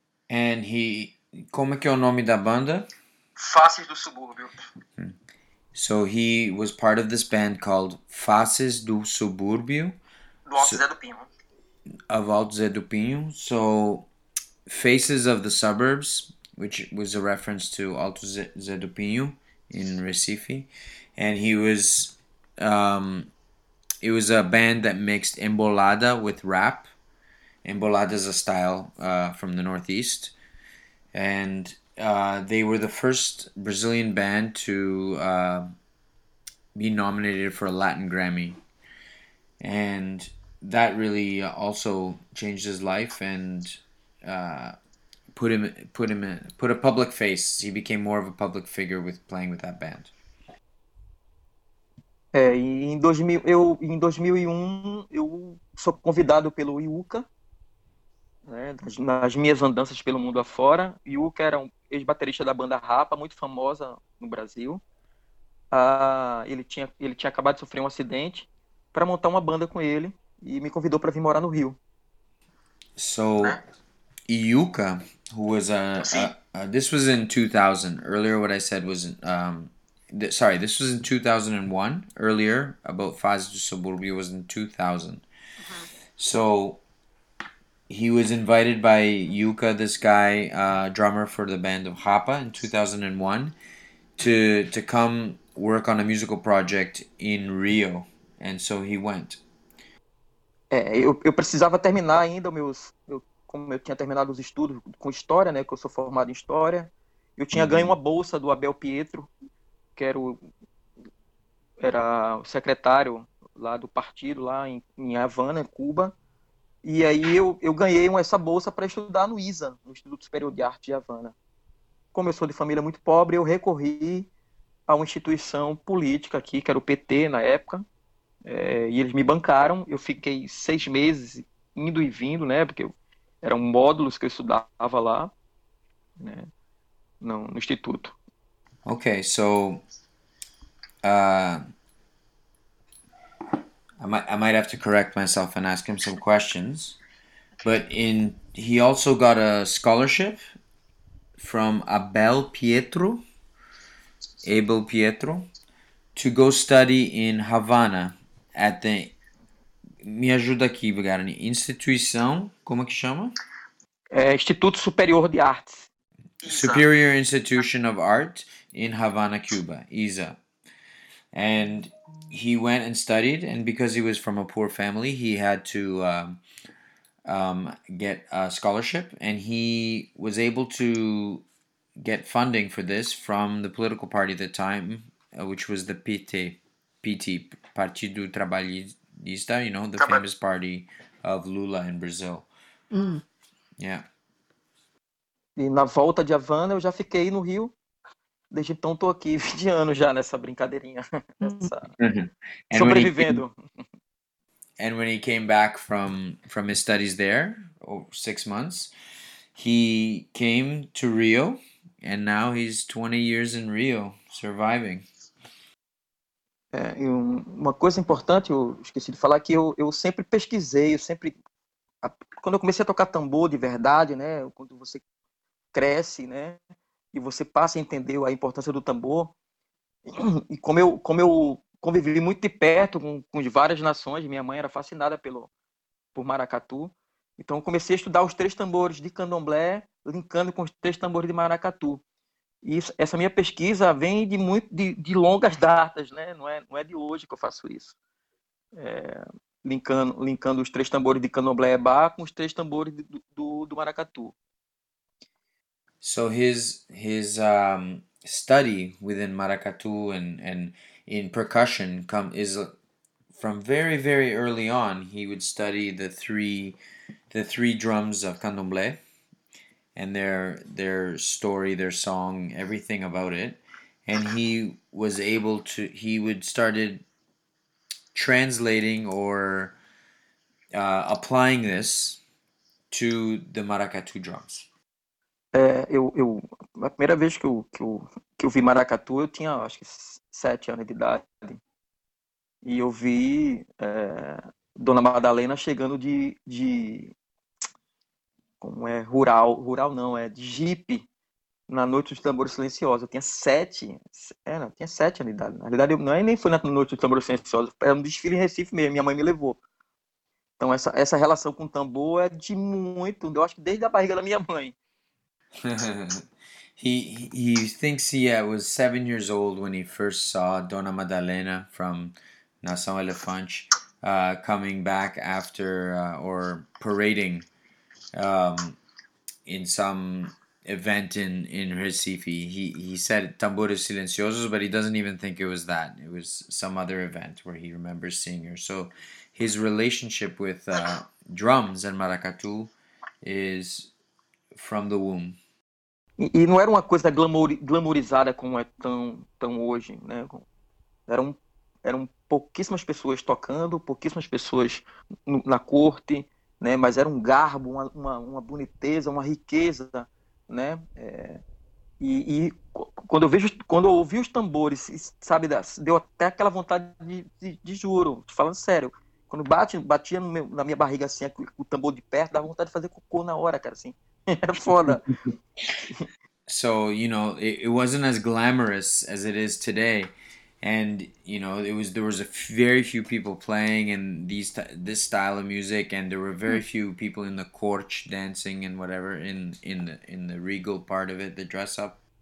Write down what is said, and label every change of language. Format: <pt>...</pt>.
<en>And he,</en> <pt>como é que é o nome da banda? Faces do Subúrbio.</pt> <en>So he was part of this band called Faces do Subúrbio,</en> <pt>Do Alto Zé do Pinho.</pt> <en>of Alto Zé do Pinho. So Faces of the Suburbs, which was a reference to Alto Zé do Pinho in Recife. And he was, it was a band that mixed embolada with rap. Embolada is a style from the Northeast. And they were the first Brazilian band to be nominated for a Latin Grammy. And that really also changed his life and put a public face. He became more of a public figure with playing with that band.</en> <pt>Em 2001, eu sou convidado pelo IUCA, né, nas minhas andanças pelo mundo afora. IUCA era um ex-baterista da banda Rapa, muito famosa no Brasil. Ele tinha acabado de sofrer um acidente para montar uma banda com ele e me convidou para vir morar no Rio.</pt> <en>So, Iuka, who was</en> <pt>Sim.</pt> <en>this was in 2000. Earlier, what I said was, sorry, this was in 2001. Earlier, about Fases do Suburbio was in 2000. So, he was invited by Iuka, this guy, drummer for the band of Rapa in 2001, to come work on a musical project in Rio. And so he went.</en> <pt>Eu precisava terminar ainda como eu tinha terminado os estudos com história, né, que eu sou formado em história. Eu tinha ganho uma bolsa do Abel Pietro, que era o secretário lá do partido, lá em Havana, Cuba. E aí eu ganhei essa bolsa para estudar no ISA, no Instituto Superior de Arte de Havana. Como eu sou de família muito pobre, eu recorri a uma instituição política aqui, que era o PT na época, e eles me bancaram. Eu fiquei 6 meses indo e vindo, né, porque eram módulos que eu estudava lá, né, no instituto.</pt> <en>Okay, so I might have to correct myself and ask him some questions, but in he also got a scholarship from Abel Pietro to go study in Havana at the</en> <pt>me ajuda aqui, Bugarni, instituição, como que chama? Instituto Superior de Artes, ISA.</pt> <en>Superior Institution of Art in Havana, Cuba, ISA. And he went and studied, and because he was from a poor family, he had to get a scholarship, and he was able to get funding for this from the political party at the time, which was the PT, Partido Trabalhista, the famous party of Lula in Brazil.</en> <pt>E na volta de Havana eu já fiquei no Rio. Desde então estou aqui 20 anos já nessa brincadeirinha, nessa</pt> <en>And when he</en> <pt>sobrevivendo.</pt> <en>came back from his studies there, oh, 6 months, he came to Rio, and now he's 20 years in Rio, surviving.</en> <pt>Uma coisa importante, eu esqueci de falar, que eu sempre pesquisei, quando eu comecei a tocar tambor de verdade, né, quando você cresce, né, e você passa a entender a importância do tambor, e como eu convivi muito de perto com várias nações, minha mãe era fascinada por maracatu, então eu comecei a estudar os três tambores de candomblé, linkando com os três tambores de maracatu. Isso, essa minha pesquisa vem de muito de longas datas, né? Não é de hoje que eu faço isso. Linkando os três tambores de candomblé e bar com os três tambores do maracatu.</pt> <en>So his study within maracatu and in percussion come is from very, very early on. He would study the three drums of candomblé and their story, their song, everything about it. And he was able to he would started translating or applying this to the maracatu drums.</en> <pt>Eu a primeira vez que eu vi maracatu, eu tinha, acho que 7 anos de idade. E eu vi Dona Madalena chegando de como é rural não, é de jipe, na Noite dos Tambores Silenciosos. Eu tinha 7 anos de idade. Na verdade, eu não é nem foi na Noite dos Tambores Silenciosos, era um desfile em Recife mesmo, minha mãe me levou. Então essa relação com o tambor é de muito, eu acho que desde a barriga da minha mãe.</pt> <en>He thinks he was 7 years old when he first saw Dona Madalena from Nação Elefante coming back after or parading in some event in Recife. He said Tambores Silenciosos, but he doesn't even think it was that. It was some other event where he remembers seeing her. So his relationship with drums and maracatu is from the womb.</en> <pt>E não era uma coisa glamourizada como é tão hoje, né? Eram pouquíssimas pessoas tocando, pouquíssimas pessoas no, na corte, né? Mas era um garbo, uma boniteza, uma riqueza, né? E quando eu ouvi os tambores, sabe, deu até aquela vontade de juro, tô falando sério. Quando batia no meu, na minha barriga assim, o tambor de perto, dava vontade de fazer cocô na hora, cara, assim. Era foda.</pt> <en>So, it wasn't as glamorous as it is today, and there was a very few people playing and this style of music, and there were very few people in the court dancing and whatever in the regal part of it, the dress up.</en>